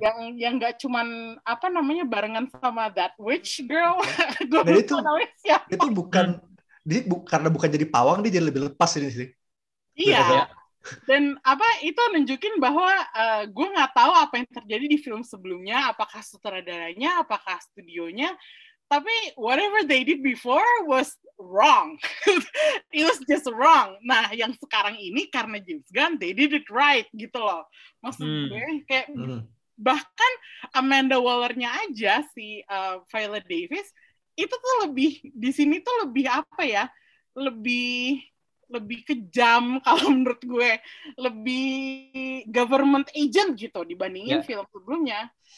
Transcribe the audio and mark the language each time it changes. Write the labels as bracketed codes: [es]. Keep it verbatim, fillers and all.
[id] yang yang nggak cuman apa namanya barengan sama [en] that witch girl. [id] Gue itu itu bukan dia bu, karena bukan jadi pawang, dia jadi lebih lepas ini sih. Iya. Dan apa itu nunjukin bahwa uh, gue nggak tahu apa yang terjadi di film sebelumnya, apakah sutradaranya, apakah studionya. Tapi [en] whatever they did before was wrong. It was just wrong. [id] Nah, yang sekarang ini karena James Gunn, [en] they did it right [id] gitu loh. Maksud gue hmm. kayak hmm. bahkan Amanda Waller-nya aja si uh, Viola Davis itu tuh lebih di sini tuh lebih apa ya? Lebih lebih kejam kalau menurut gue, lebih government agent gitu dibandingin yeah. film sebelumnya.